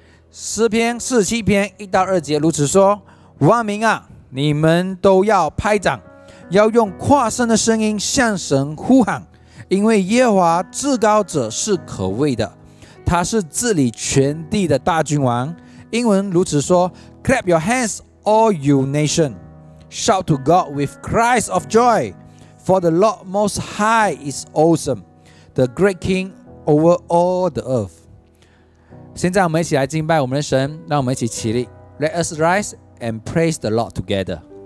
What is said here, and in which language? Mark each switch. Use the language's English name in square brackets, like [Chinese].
[Chinese] 诗篇四十七篇一到二节如此说：万民啊，你们都要拍掌，要用跨声的声音向神呼喊，因为耶和华至高者是可畏的，他是治理全地的大君王。英文如此说 [English] ：Clap your hands, all you nation. Shout to God with cries of joy, for the Lord Most High is awesome, the great King over all the earth. [Chinese] 现在我们一起来敬拜我们的神，让我们一起起立。 [English] Let us rise and praise the Lord together.